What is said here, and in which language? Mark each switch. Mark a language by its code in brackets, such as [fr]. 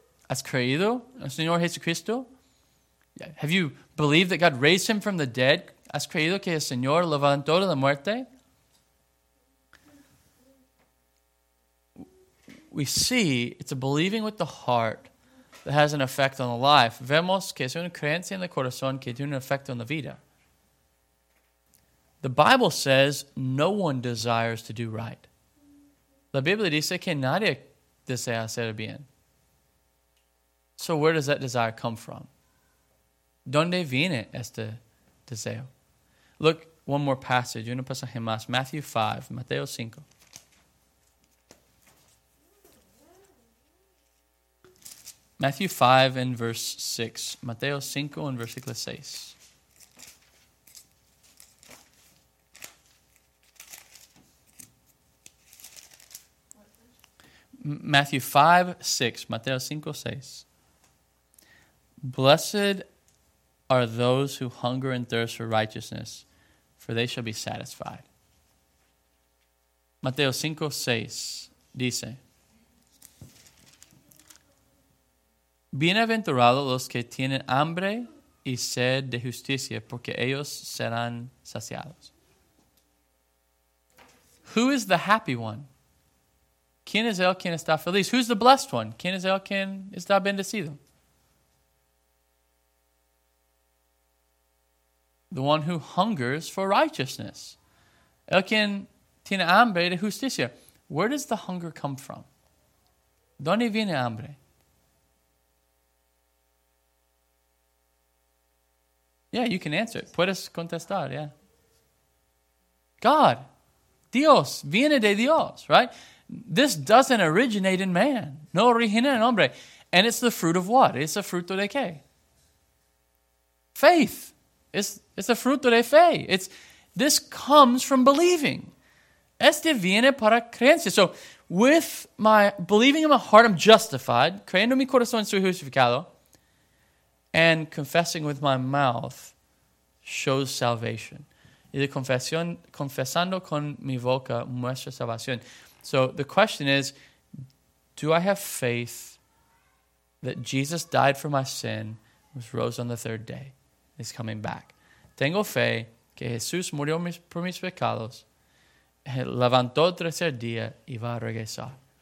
[es] ¿Has creído en el Señor Jesucristo? [en] Have you believed that God raised Him from the dead? [es] ¿Has creído que el Señor levantó de la muerte? [en] We see it's a believing with the heart that has an effect on the life. [es] Vemos que es una creencia en el corazón que tiene un efecto en la vida. [en] The Bible says no one desires to do right. [es] La Biblia dice que nadie desea hacer bien. [en] So where does that desire come from? [es] ¿Dónde viene este deseo? [en] Look, one more passage. [es] Una pasaje más. [en] Matthew 5, Mateo 5. Matthew 5 and verse 6. Mateo 5 and versículo 6. Matthew 5, 6. Mateo 5, 6. Blessed are those who hunger and thirst for righteousness, for they shall be satisfied. [es] Mateo 5, 6 dice, bienaventurados los que tienen hambre y sed de justicia, porque ellos serán saciados. [en] Who is the happy one? [es] ¿Quién es el quien está feliz? [en] Who's the blessed one? [es] ¿Quién es el quien está bendecido? [en] The one who hungers for righteousness. [es] El quien tiene hambre de justicia. [en] Where does the hunger come from? [es] ¿Dónde viene hambre? [en] Yeah, you can answer it. [es] Puedes contestar, [en] yeah. God. Dios. [es] Viene de Dios, right? [en] This doesn't originate in man. [es] No origina en hombre. [en] And it's the fruit of what? It's the [es] fruto de qué? [en] Faith. It's the [es] fruto de fe. [en] This comes from believing. [es] Este viene para creencia. [en] So, with my believing in my heart, I'm justified. [es] Creyendo mi corazón soy justificado. [en] And confessing with my mouth shows salvation. [es] Y de confesión, confesando con mi boca muestra salvación. [en] So the question is, do I have faith that Jesus died for my sin, was rose on the third day, is coming back? [es] Tengo fe que Jesús murió por mis pecados, levantó el tercer día y va a regresar.